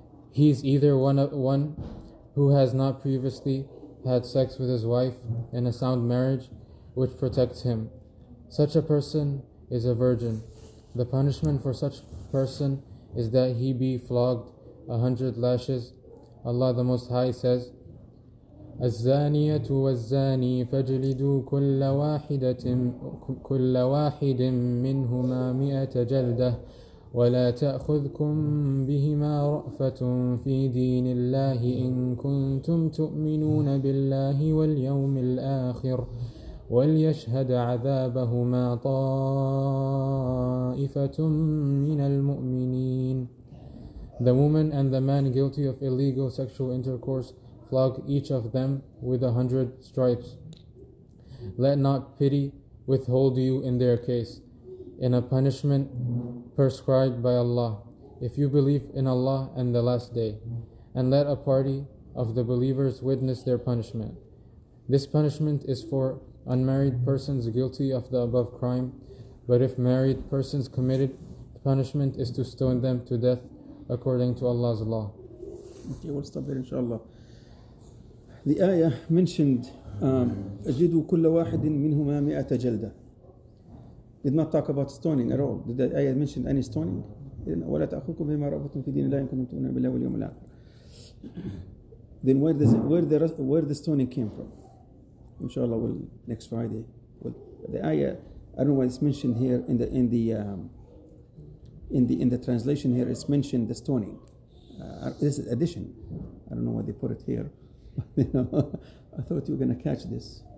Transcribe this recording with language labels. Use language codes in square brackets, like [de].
[en] He is either one who has not previously had sex with his wife in a sound marriage, which protects him. Such a person is a virgin. The punishment for such person is that he be flogged 100 lashes. Allah the Most High says, [ar] الزانية والزاني فاجلدوا كل واحد منهما 100 جلدة ولا تأخذكم بهما رأفة في دين الله إن كنتم تؤمنون بالله واليوم الآخر وليشهد عذابهما طائفة من المؤمنين. [en] The woman and the man guilty of illegal sexual intercourse, flog each of them with 100 stripes. Let not pity withhold you in their case, in a punishment prescribed by Allah, if you believe in Allah and the last day, and let a party of the believers witness their punishment. This punishment is for unmarried persons guilty of the above crime, but if married persons committed, the punishment is to stone them to death according to Allah's law. Okay, we'll stop there inshallah. The ayah mentioned [ar] أَجِدُوا كُلَّ وَاحِدٍ مِنْهُمَا 100 جَلْدَةٍ. [en] Did not talk about stoning at all. Did the ayah mention any stoning? [ar] وَلَا تَأْخُذْكُمْ بِهِمَا رَأْفَةٌ فِي دِينِ اللَّهِ إِنْ كُنْتُمْ تُؤْمِنُونَ بِاللَّهِ وَالْيَوْمِ الْآخِرِ. [en] Then where the stoning came from? Inshallah, will next Friday. Well, the ayah, I don't know why it's mentioned here in the translation here, it's mentioned the stoning. This is addition. I don't know why they put it here. You know, I thought you were going to catch this.